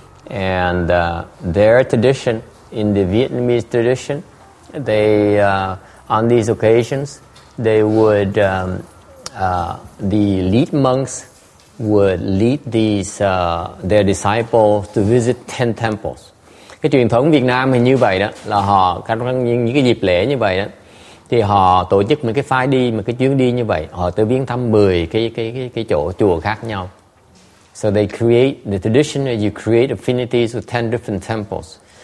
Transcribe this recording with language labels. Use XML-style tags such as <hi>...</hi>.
<en>And their tradition, in the Vietnamese tradition, they on these occasions they would the lead monks would lead these their disciples to visit 10 temples.</en> <vi>Cái truyền thống Việt Nam thì như vậy đó, là họ những cái dịp lễ như vậy đó, thì họ tổ chức một cái file đi, một cái chuyến đi như vậy, họ tới viếng thăm 10 cái chỗ chùa khác nhau.</vi> <en>So they create the tradition that you create affinities with 10 different temples.</en>